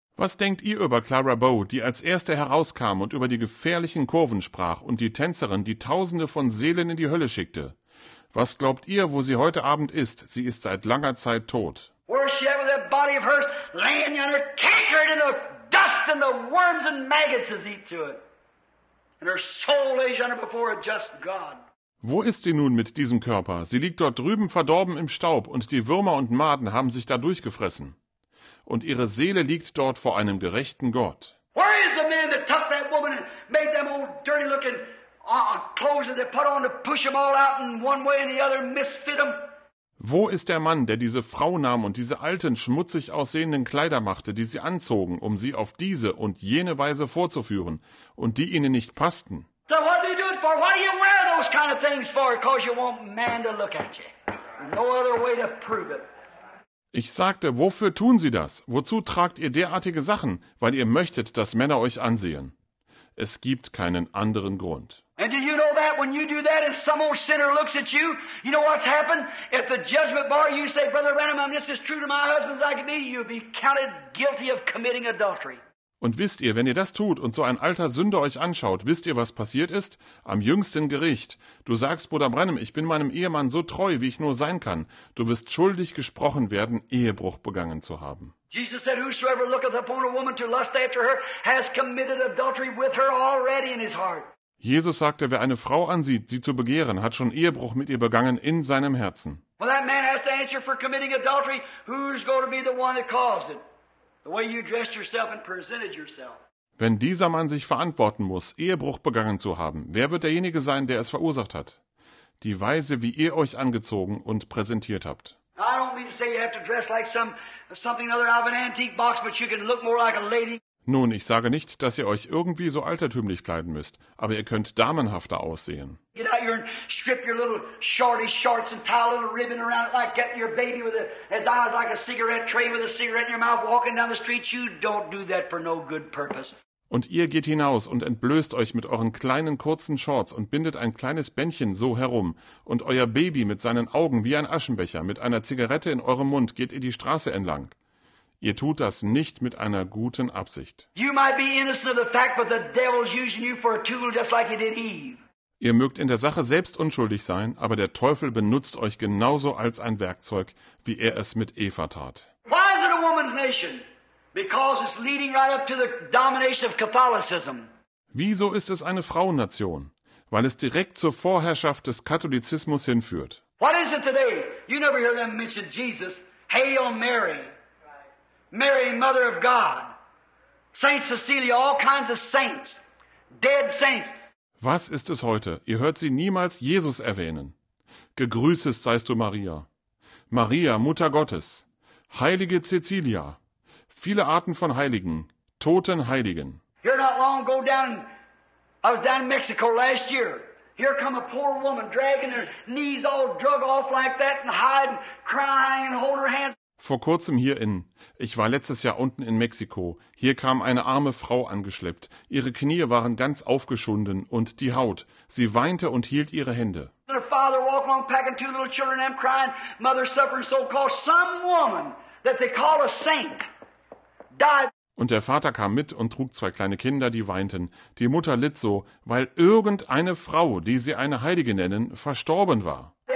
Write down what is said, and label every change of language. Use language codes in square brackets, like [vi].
[de] Was denkt ihr über Clara Bow, die als erste herauskam und über die gefährlichen Kurven sprach und die Tänzerin, die Tausende von Seelen in die Hölle schickte? Was glaubt ihr, wo sie heute Abend ist? Sie ist seit langer Zeit tot. [en] Where is she ever, that body of hers, laying yonder, cankered in the dust and the worms and maggots has eat to it. And her soul lays yonder before a just God. [de] Wo ist sie nun mit diesem Körper? Sie liegt dort drüben verdorben im Staub und die Würmer und Maden haben sich da durchgefressen. Und ihre Seele liegt dort vor einem gerechten Gott. [en] Where is the man that took that woman and made them old dirty looking clothes that they put on to push them all out in one way and the other and misfit them? [de] Wo ist der Mann, der diese Frau nahm und diese alten, schmutzig aussehenden Kleider machte, die sie anzogen, um sie auf diese und jene Weise vorzuführen und die ihnen nicht passten? [en] So what do you do it for? What do you wear those kind of things for? Because you want man to look at you. No other way to prove it. [de] Ich sagte, wofür tun Sie das? Wozu tragt ihr derartige Sachen, weil ihr möchtet, dass Männer euch ansehen? Es gibt keinen anderen Grund. [en] And do you know that when you do that and some old sinner looks at you, you know what's happened? At the judgment bar you say, Brother Branham, I'm just as true to my husband as I can be, you'll be counted guilty of committing adultery. [de] Und wisst ihr, wenn ihr das tut und so ein alter Sünder euch anschaut, wisst ihr, was passiert ist? Am jüngsten Gericht. Du sagst, Bruder Branham, ich bin meinem Ehemann so treu, wie ich nur sein kann. Du wirst schuldig gesprochen werden, Ehebruch begangen zu haben. [en] Jesus said, whosoever looketh upon a woman to lust after her has committed adultery with her already in his heart. [de] Jesus sagte, wer eine Frau ansieht, sie zu begehren, hat schon Ehebruch mit ihr begangen in seinem Herzen. [en] Well, that man has to answer for committing adultery. Who's going to be the one that caused it? The way you dressed yourself and presented yourself. [de] Wenn dieser Mann sich verantworten muss, Ehebruch begangen zu haben, wer wird derjenige sein, der es verursacht hat? Die Weise, wie ihr euch angezogen und präsentiert habt. [en] I don't mean to say you have to dress like something other out of an antique box, but you can look more like a lady. [de] Nun, ich sage nicht, dass ihr euch irgendwie so altertümlich kleiden müsst, aber ihr könnt damenhafter aussehen. [en] Get out here and strip your little shorty shorts and tie a little ribbon around it like getting your baby with his eyes like a cigarette tray with a cigarette in your mouth walking down the street. You don't do that for no good purpose. [de] Und ihr geht hinaus und entblößt euch mit euren kleinen kurzen Shorts und bindet ein kleines Bändchen so herum. Und euer Baby mit seinen Augen wie ein Aschenbecher mit einer Zigarette in eurem Mund geht ihr die Straße entlang. Ihr tut das nicht mit einer guten Absicht. [en] You might be innocent of the fact, but the devil's using you for a tool just like he did Eve. [de] Ihr mögt in der Sache selbst unschuldig sein, aber der Teufel benutzt euch genauso als ein Werkzeug, wie er es mit Eva tat. [en] Why is it a woman's nation? Because it's leading right up to the domination of Catholicism. [de] Wieso ist es eine Frauennation? Weil es direkt zur Vorherrschaft des Katholizismus hinführt. [en] What is it today? You never hear them mention Jesus. Hail Mary. Mary, Mother of God. Saint Cecilia, all kinds of saints. Dead saints. [de] Was ist es heute? Ihr hört sie niemals Jesus erwähnen. Gegrüßest seist du, Maria. Maria, Mutter Gottes. Heilige Cecilia. Viele Arten von Heiligen, toten Heiligen. [en] Here not long ago down, I was down in Mexico last year. Here come a poor woman dragging her knees all drug off like that and hiding, crying and holding her hands. [de] Vor kurzem hierin, ich war letztes Jahr unten in Mexiko, hier kam eine arme Frau angeschleppt, ihre Knie waren ganz aufgeschunden und die Haut, sie weinte und hielt ihre Hände. [en] Her father walked along packing two little children and crying, mother suffering so called some woman that they call a saint. [de] Und der Vater kam mit und trug zwei kleine Kinder, die weinten. Die Mutter litt so, weil irgendeine Frau, die sie eine Heilige nennen, verstorben war.